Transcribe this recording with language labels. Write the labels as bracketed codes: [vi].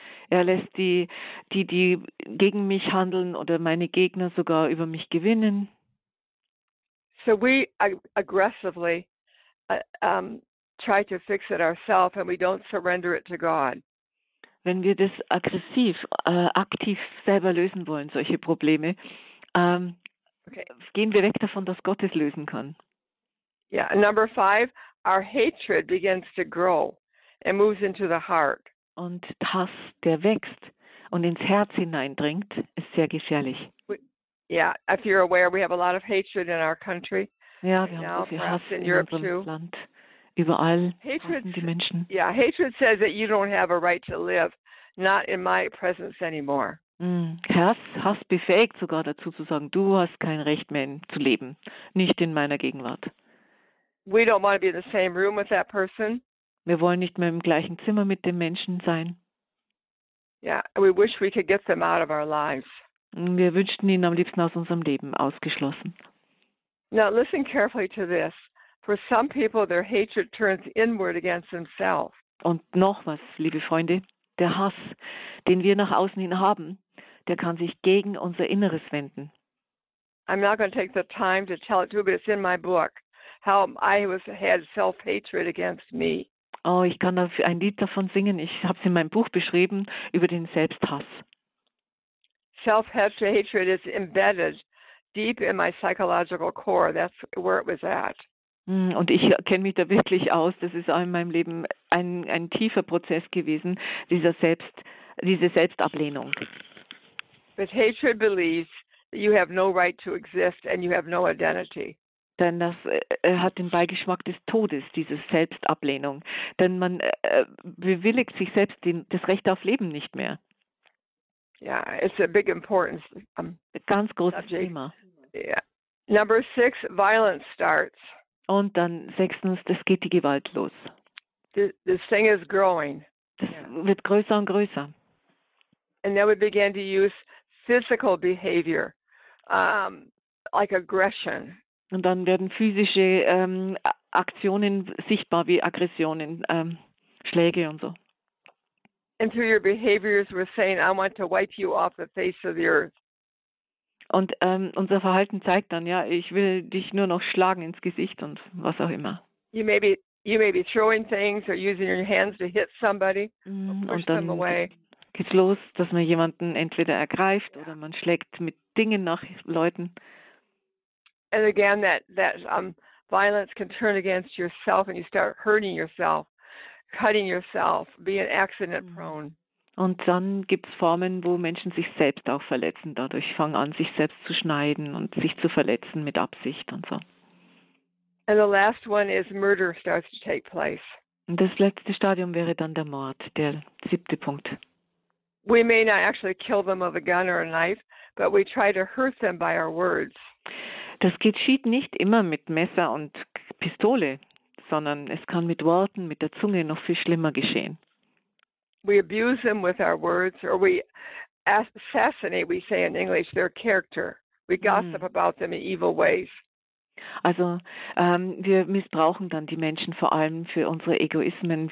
[de] Er lässt die gegen mich handeln oder meine Gegner sogar über mich gewinnen. [en] So we aggressively try to fix it ourselves and we don't surrender it to God. [de] Wenn wir das aggressiv, aktiv selber lösen wollen, solche Probleme, gehen wir weg davon, dass Gott es lösen kann. [en] Yeah, number five, our hatred begins to grow and moves into the heart. [de] Und Hass, der wächst und ins Herz hineindringt, ist sehr gefährlich. [en] If you're aware, we have a lot of hatred in our country. [de] Ja, wir haben so viel Hass in unserem Land. Überall hassen die Menschen. [en] Yeah, hatred says that you don't have a right to live, not in my presence anymore. [de] Hass befähigt sogar dazu zu sagen, du hast kein Recht mehr zu leben, nicht in meiner Gegenwart. [en] We don't want to be in the same room with that person. [de] Wir wollen nicht mehr im gleichen Zimmer mit dem Menschen sein. [en] Yeah, we wish we could get them out of our lives. [de] Wir wünschten ihn am liebsten aus unserem Leben ausgeschlossen. [en] Now listen carefully to this. For some people, their hatred turns inward against themselves. [de] Und noch was, liebe Freunde, der Hass, den wir nach außen hin haben, der kann sich gegen unser Inneres wenden. [en] I'm not going to take the time to tell it to you, but it's in my book, how I had self-hatred against me. [de] Oh, ich kann ein Lied davon singen. Ich habe es in meinem Buch beschrieben, über den Selbsthass. [en] Self-hatred is embedded deep in my psychological core. That's where it was at. [de] Und ich kenne mich da wirklich aus. Das ist auch in meinem Leben ein tiefer Prozess gewesen, diese Selbstablehnung. [en] But hatred believes that you have no right to exist and you have no identity. [de] Denn das hat den Beigeschmack des Todes, diese Selbstablehnung. Denn man bewilligt sich selbst das Recht auf Leben nicht mehr. [en] Yeah, it's a big importance. [de] Ganz großes Thema. [en] Yeah. Number six, violence starts. [de] Und dann sechstens, das geht die Gewalt los. [en] This thing is growing. [de] Das wird größer und größer. [en] And then we began to use physical behavior, like aggression. [de] Und dann werden physische Aktionen sichtbar, wie Aggressionen, Schläge und so. [en] And through your behaviors we're saying, I want to wipe you off the face of the earth. [de] Und unser Verhalten zeigt dann, ja, ich will dich nur noch schlagen ins Gesicht und was auch immer. [en] You may be throwing things or using your hands to hit somebody or push them away. [de] Geht's los, dass man jemanden entweder ergreift oder man schlägt mit Dingen nach Leuten. [en] And again, that violence can turn against yourself and you start hurting yourself, cutting yourself, being accident prone. [de] Und dann gibt's Formen, wo Menschen sich selbst auch verletzen. Dadurch fangen an, sich selbst zu schneiden und sich zu verletzen mit Absicht und so. [en] And the last one is murder starts to take place. [de] Und das letzte Stadium wäre dann der Mord, der siebte Punkt. [en] We may not actually kill them with a gun or a knife, but we try to hurt them by our words. [de] Das geschieht nicht immer mit Messer und Pistole, sondern es kann mit Worten, mit der Zunge noch viel schlimmer geschehen. [en] We abuse them with our words, or we assassinate, we say in English, their character. We gossip about them in evil ways. [de] Also, wir missbrauchen dann die Menschen vor allem für unsere Egoismen.